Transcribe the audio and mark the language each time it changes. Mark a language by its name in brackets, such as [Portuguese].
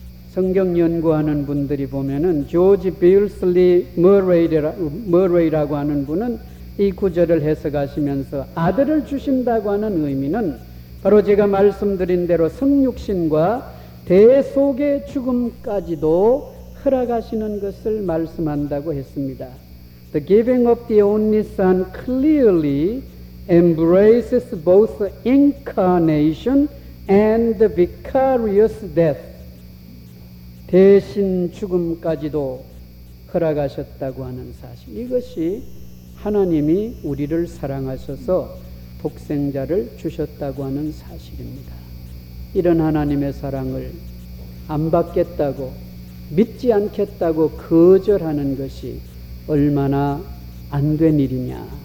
[Korean] 성경 연구하는 분들이 보면은 조지 빌슬리 머레이라고 하는 분은 이 구절을 해석하시면서 아들을 주신다고 하는 의미는 바로 제가 말씀드린 대로 성육신과 대속의 죽음까지도 허락하시는 것을 말씀한다고 했습니다. [English] The giving of the only son clearly embraces both the incarnation and the vicarious death. [Korean] 대신 죽음까지도 허락하셨다고 하는 사실. 이것이 하나님이 우리를 사랑하셔서 독생자를 주셨다고 하는 사실입니다. 이런 하나님의 사랑을 안 받겠다고 믿지 않겠다고 거절하는 것이 얼마나 안 된 일이냐.